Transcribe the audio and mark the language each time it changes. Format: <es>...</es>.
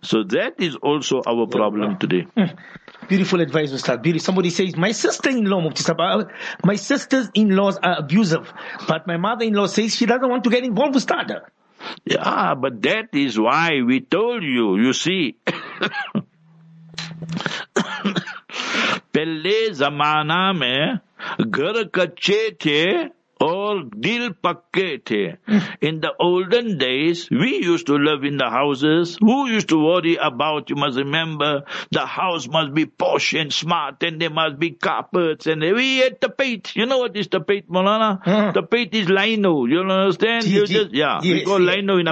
<en>So that is also our problem today. Beautiful advice, Ustad. Beautiful. Somebody says, my sister-in-law, Mufti Saab, my sister-in-laws are abusive, but my mother-in-law says she doesn't want to get involved with Ustad. Yeah, but that is why we told you, you see.</en> <ur>پہلے زمانہ میں گھر کچے تھے اور دل پکے تھے.</ur> <en>In the olden days, we used to live in the houses. Who used to worry about, you must remember, the house must be posh and smart and there must be carpets and we had tapete. You know what is tapete, Molana? Tapete is lino. You understand? We call lino in</en>